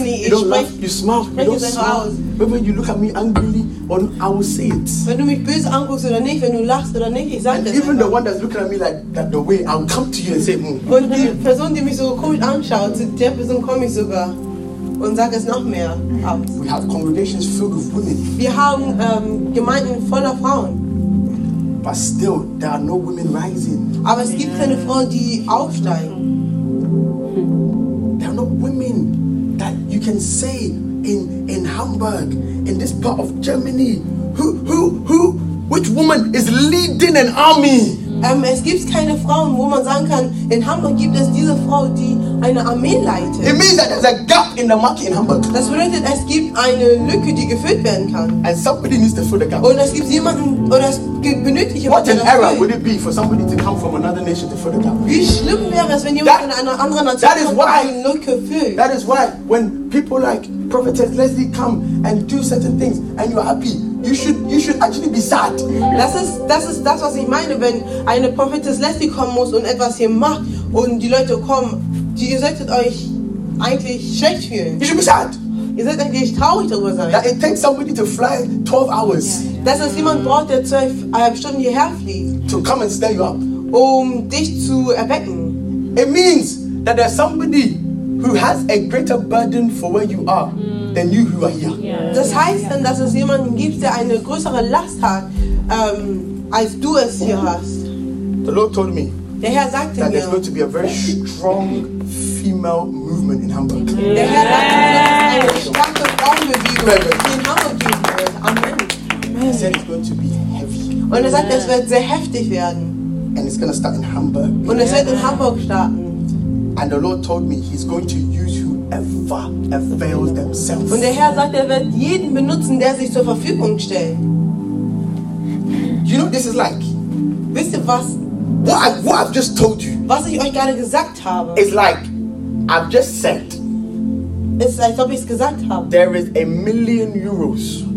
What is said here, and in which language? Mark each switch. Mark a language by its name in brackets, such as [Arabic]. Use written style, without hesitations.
[English] When you look at me angrily, or I will say it. [German] Wenn du mich böse anguckst oder nicht, wenn du lachst oder nicht, ich sage das. [English] Even the one that's looking at me like that, the way I'll come to you and say, hmm. [German] Und die Person, die mich so komisch anschaut, zu der Person komme ich sogar. Und sag es noch mehr aus. [English] We have congregations filled with women. [German] Wir haben Gemeinden voller Frauen. [English] But still, there are no women rising. [German] Aber es gibt keine Frauen, die aufsteigen. [English] There are no women that you can say in Hamburg, in this part of Germany, which woman is leading an army? [German] Es gibt keine Frauen, wo man sagen kann, in Hamburg gibt es diese Frau, die eine Armee leitet. [English] It means that there's a gap in the market in Hamburg. [German] Das bedeutet, es gibt eine Lücke, die gefüllt werden kann. [English] And somebody needs to fill the gap. [German] Und es gibt jemanden, oder es gibt benötigte. [English] What an error would it be for somebody to come from another nation to fill the gap? [German] Wie schlimm wäre es, wenn jemand von einer anderen Nation kommt und eine Lücke füllt? [English] That is why when people like Prophetess Leslie come and do certain things and you're happy, You should actually be sad. [German] Das ist das, was ich meine, wenn eine Prophetess Leslie kommen muss und etwas hier macht und die Leute kommen, die, ihr solltet euch eigentlich schlecht fühlen. [English] You should be sad. [German] Ihr solltet eigentlich traurig darüber sein. [English] That it takes somebody to fly 12 hours. Yeah. [German] Dass es jemand braucht, der 12 Stunden hierher fliegt. [English] To come and stir you up. [German] Um dich zu erwecken. [English] It means that there's somebody who has a greater burden for where you are. Mm. Than you who are here. [German] Das heißt dann, dass es jemanden gibt, der eine größere Last hat, als du es hier hast. [English] The Lord told me. [German] Der Herr sagte [English] that [German] mir, [English] there's going to be a very strong female movement in Hamburg. [German] Der Herr sagte mir, dass eine starke Frauenbewegung in Hamburg geben wird. [English] Amen. He said it's going to be heavy. [German] Und er sagt, es wird sehr heftig werden. [English] And it's going to start in Hamburg. [German] Und es wird in Hamburg starten. [English] And the Lord told me he's going to use whoever avails themselves. [German] Und der Herr sagt, er wird jeden benutzen, der sich zur Verfügung stellt. [English] You know what this is like? [German] Wisst ihr was? [English] What I've just told you. [German] Was ich euch gerade gesagt habe. [English] It's like I've just said. [German] Es ist, als ob ich es gesagt habe. [English] There is a million euros.